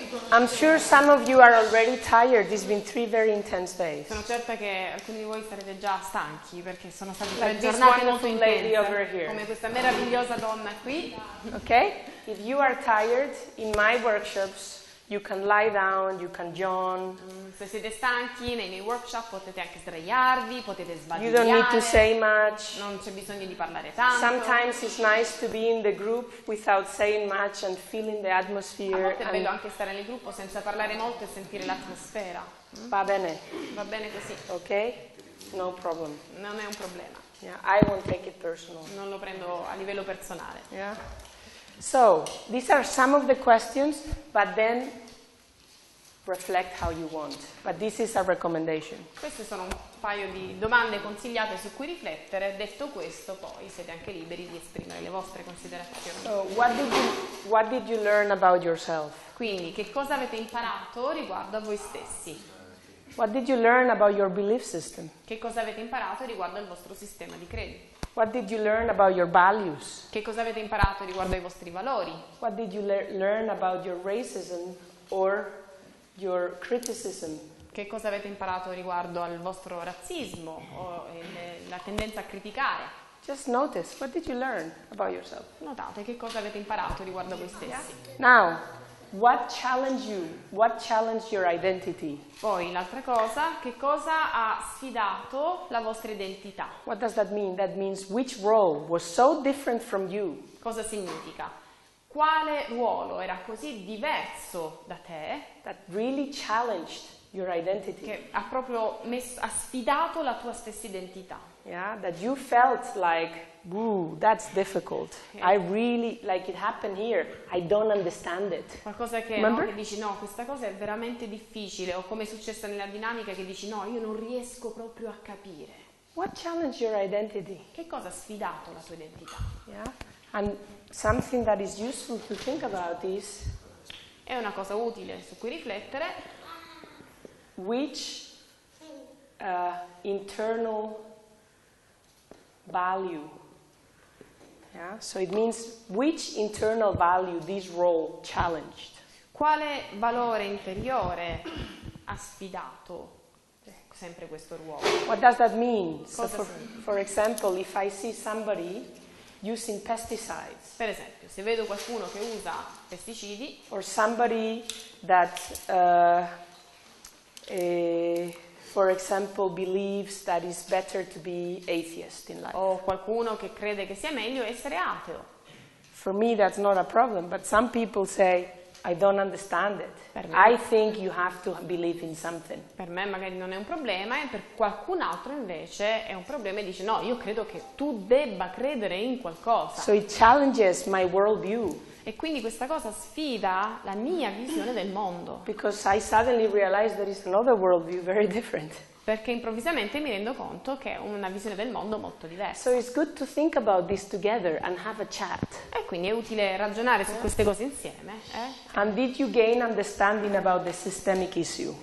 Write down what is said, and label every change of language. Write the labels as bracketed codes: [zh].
[en] I'm sure some of you are already tired. It's been three very intense days. [it] Sono certa che alcuni di voi sarete già stanchi perché sono state tre giornate molto intense. [en] Over here. [it] Come questa meravigliosa donna qui. [en] Okay? If you are tired, in my workshops you can lie down, you can yawn. [it] Se siete stanchi nei miei workshop potete anche sdraiarvi, potete sbadigliare. [en] You don't need to say much. [it] Non c'è bisogno di parlare tanto. [en] Sometimes it's nice to be in the group without saying much and feeling the atmosphere. [it] A volte è bello anche stare nel gruppo senza parlare molto e sentire l'atmosfera. Va bene. Va bene così. [en] Okay? No problem. [it] Non è un problema. [en] Yeah, I won't take it personal. [it] Non lo prendo a livello personale. [en] Yeah. So, these are some of the questions, but then reflect how you want. But this is a recommendation. [it] Queste sono un paio di domande consigliate su cui riflettere. Detto questo, poi siete anche liberi di esprimere le vostre considerazioni. [en] So, what did you learn about yourself? [it] Quindi, che cosa avete imparato riguardo a voi stessi? [en] What did you learn about your belief system? [it] Che cosa avete imparato riguardo al vostro sistema di credi? [en] What did you learn about your values? [it] Che cosa avete imparato riguardo ai vostri valori? [en] What did you learn about your racism or your criticism? [it] Che cosa avete imparato riguardo al vostro razzismo o la tendenza a criticare? [en] Just notice, what did you learn about yourself? [it] Notate che cosa avete imparato riguardo a voi stessi. [en] Now, what challenged you? What challenged your identity? [it] Poi l'altra cosa, che cosa ha sfidato la vostra identità? [en] What does that mean? That means which role was so different from you? [it] Cosa significa? Quale ruolo era così diverso da te? [en] That really challenged your identity. [it] Che ha proprio ha sfidato la tua stessa identità. [en] Yeah, that you felt like, ooh, that's difficult. Okay. I really, like it happened here, I don't understand it. [it] Qualcosa che, no, che dici, no, questa cosa è veramente difficile, o come è successa nella dinamica che dici, no, io non riesco proprio a capire. [en] What challenged your identity? [it] Che cosa ha sfidato la tua identità? [en] Yeah, and something that is useful to think about is... [it] È una cosa utile su cui riflettere. [en] Which internal... value. Yeah? So it means which internal value this role challenged. [it] Quale valore interiore ha sfidato sempre questo ruolo? [en] What does that mean? [it] Cosa so [en] for example, if I see somebody using pesticides. [it] Per esempio, se vedo qualcuno che usa pesticidi. [en] Or somebody that, for example, believes that it's better to be atheist in life. [it] O qualcuno che crede che sia meglio essere ateo. [en] For me that's not a problem, but some people say, I don't understand it. I think you have to believe in something. [it] Per me magari non è un problema, e per qualcun altro invece è un problema e dice, no, io credo che tu debba credere in qualcosa. [en] So it challenges my worldview. [it] E quindi questa cosa sfida la mia visione del mondo. [en] Because I suddenly realized there is another worldview very different. [it] perché improvvisamente mi rendo conto che è una visione del mondo molto diversa. [en] So it's good to think about this together and have a chat. [it] E quindi è utile ragionare su queste cose insieme. [en] And did you gain understanding about the systemic issue?